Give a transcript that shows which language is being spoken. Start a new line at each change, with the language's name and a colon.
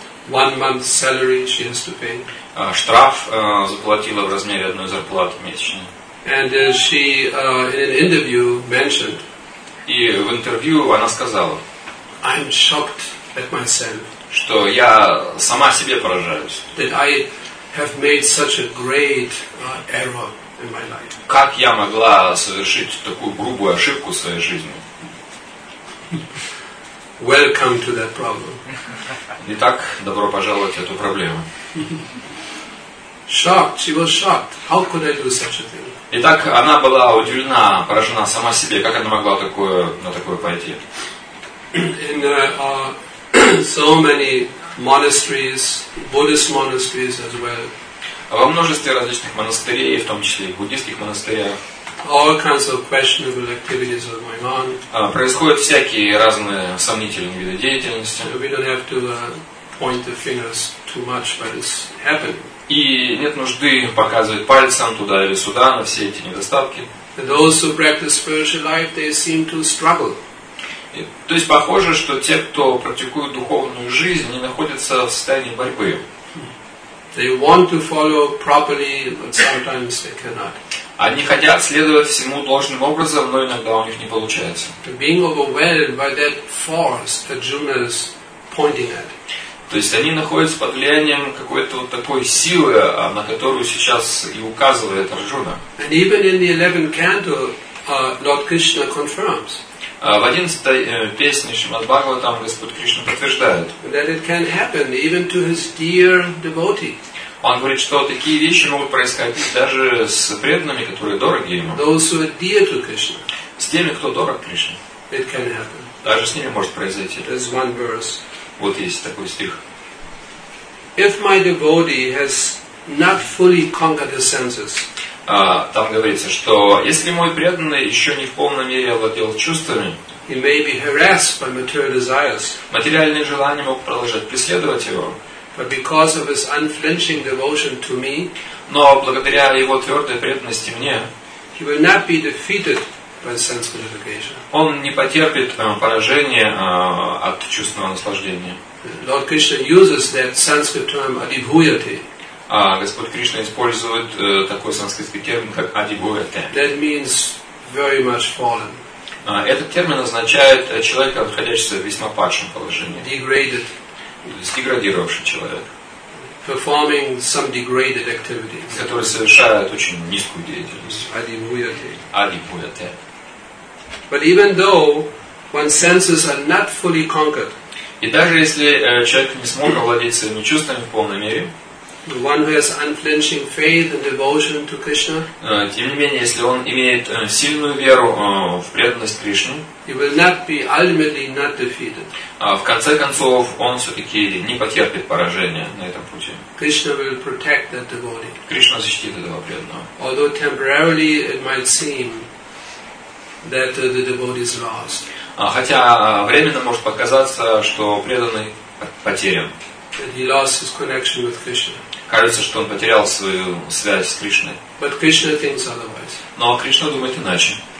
English: One month's salary she has to pay.
Russian: Штраф заплатила в размере одной зарплаты месячной.
English: And she in an interview mentioned.
Russian: И в интервью она сказала.
English: I'm shocked at myself.
Russian: Что я сама себе поражаюсь.
English: That I have made such a great error.
Russian: Как я могла совершить такую грубую ошибку в своей жизни?
English: Welcome to that problem.
Russian: Итак, добро пожаловать в эту проблему.
English: Shocked, she was shocked. How could I do such a thing?
Russian: Итак, она была удивлена, поражена сама себе. Как она могла такое, на такое пойти?
English: In so many monasteries, Buddhist monasteries as well.
Russian: Во множестве различных монастырей, в том числе и в буддийских монастырях,
English: all kinds of questionable activities are going on.
Russian: Происходят всякие разные сомнительные виды деятельности.
English: So we don't have to point the fingers too much, but it's happening.
Russian: И нет нужды показывать пальцем туда или сюда на все эти недостатки.
English: Those who practice spiritual life, they seem to struggle.
Russian: И, то есть похоже, что те, кто практикует духовную жизнь, они находятся в состоянии борьбы.
English: They want to follow properly, but sometimes they cannot.
Russian: Они хотят следовать всему должным образом, но иногда у них не получается.
English: Being overwhelmed by that force that Arjuna is pointing at.
Russian: То есть они находятся под влиянием какой-то вот такой силы, на которую сейчас и указывает Арджуна.
English: And even in the 11th canto, Lord Krishna confirms.
Russian: В 11-й песне Шримад Бхагаватам Господь Кришна подтверждает.
English: That it can happen even to his dear devotee.
Russian: Он говорит, что такие вещи могут происходить даже с преданными, которые дороги ему.
English: Those who are dear to Krishna.
Russian: С теми, кто дорог Кришне.
English: It can happen.
Russian: Даже с ними может произойти.
English: There's one verse.
Russian: Вот есть такой стих.
English: If my devotee has not fully conquered his senses.
Russian: Там говорится, что если мой преданный еще не в полной мере овладел чувствами,
English: he may be harassed by material desires,
Russian: материальные желания могут продолжать преследовать его,
English: but because of his unflinching devotion to me,
Russian: но благодаря его твердой преданности мне,
English: he will not be defeated by sense gratification.
Russian: Он не потерпит поражения от чувственного наслаждения.
English: Lord Krishna uses that Sanskrit term adibhuyate.
Russian: А Господь Кришна использует такой санскритский термин, как «адибхуяте».
English: That means very much fallen.
Russian: Этот термин означает человека, находящегося в весьма падшем положении.
English: Degraded.
Russian: То есть деградировавший человек.
English: Performing some degraded activities.
Russian: Который совершает очень низкую деятельность. Адибхуяте. Адибхуяте.
English: But even though one's senses are not fully conquered.
Russian: И даже если человек не смог овладеть своими чувствами в полной мере,
English: the one who has unflinching faith and devotion to Krishna.
Russian: Тем не менее, если он имеет сильную веру в преданность Кришне,
English: he will not be ultimately not defeated.
Russian: В конце концов, он все-таки не потерпит поражения на этом пути.
English: Krishna will protect that devotee.
Russian: Кришна защитит этого преданного.
English: Although temporarily it might seem that the devotee is lost.
Russian: Хотя временно может показаться, что преданный потерян.
English: That he lost his connection with Krishna.
Russian: Кажется, что он потерял свою связь с Кришной.
English: But Krishna thinks otherwise.
Russian: Но Кришна думает иначе.